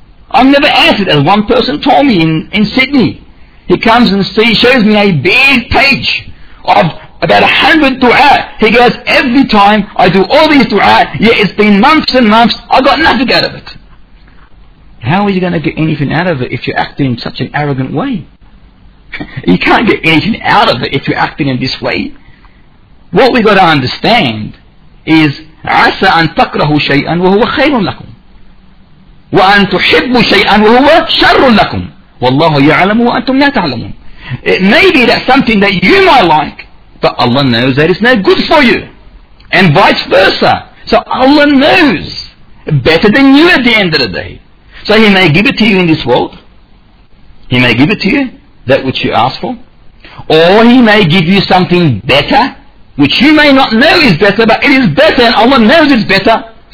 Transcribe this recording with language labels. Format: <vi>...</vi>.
<en>I'm never answered, as one person told me in Sydney. He comes and shows me a big page of about 100 dua. He goes, every time I do all these dua, yet it's been months and months, I got nothing out of it. How are you going to get anything out of it if you're acting in such an arrogant way? You can't get anything out of it if you're acting in this way. What we got to understand is</en> <ar>عَسَىٰ أَن تَكْرَهُ شَيْئًا وَهُوَ خَيْرٌ لَكُمْ وَأَن تُحِبُّ شَيْئًا وَهُوَ شَرٌ لَكُمْ وَاللَّهُ يَعْلَمُ وَأَنتُمْ لَا تَعْلَمُونَ.</ar> <en>It may be that something that you might like, but Allah knows that it's no good for you, and vice versa. So Allah knows better than you at the end of the day. So He may give it to you in this world, He may give it to you, that which you ask for, or He may give you something better, which you may not know is better, but it is better, and Allah knows it's better.</en>